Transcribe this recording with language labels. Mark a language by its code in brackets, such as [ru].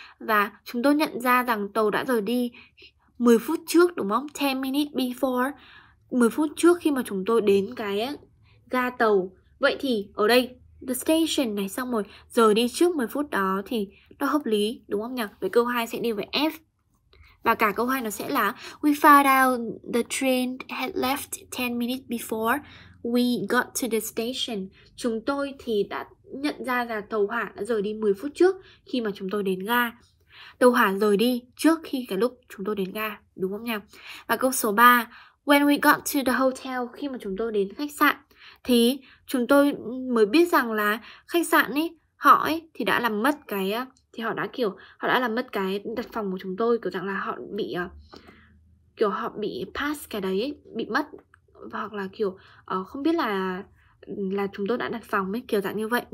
[vi] Và chúng tôi nhận ra rằng tàu đã rời đi 10 phút trước, đúng không? [en] 10 minutes before, [vi] 10 phút trước khi mà chúng tôi đến cái ga tàu. Vậy thì ở đây, the station này, xong rồi rời đi trước 10 phút đó thì nó hợp lý, đúng không nhỉ? Vậy câu 2 sẽ đi với F. Và cả câu 2 nó sẽ là [en] we found out the train had left 10 minutes before we got to the station. [vi] Chúng tôi thì đã nhận ra là tàu hỏa đã rời đi 10 phút trước khi mà chúng tôi đến ga. Tàu hỏa rời đi trước khi cái lúc chúng tôi đến ga, đúng không nhỉ? Và câu số 3, [en] when we got to the hotel, [vi] khi mà chúng tôi đến khách sạn, thì chúng tôi mới biết rằng là khách sạn ấy, họ ấy thì đã làm mất cái, thì họ đã kiểu, họ đã làm mất cái đặt phòng của chúng tôi, kiểu rằng là họ bị, kiểu họ bị pass cái đấy, ấy, bị mất, hoặc là kiểu không biết là chúng tôi đã đặt phòng ấy, kiểu dạng như vậy.